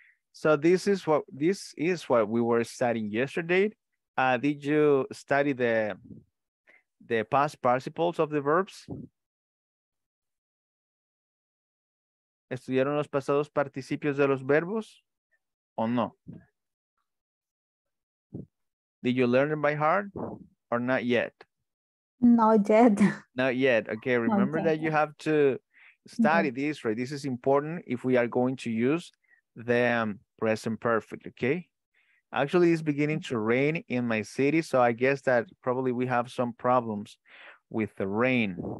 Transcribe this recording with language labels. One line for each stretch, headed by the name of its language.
English: So this is what we were studying yesterday. Did you study the past participles of the verbs?
Spanish: ¿Estudiaron los pasados participios de los verbos o no?
English: Did you learn them by heart or not yet? Not yet. Not yet. Okay, remember that you have to study this, right? This is important if we are going to use the present perfect, okay? Actually, it's beginning to rain in my city, so I guess that probably we have some problems with the rain.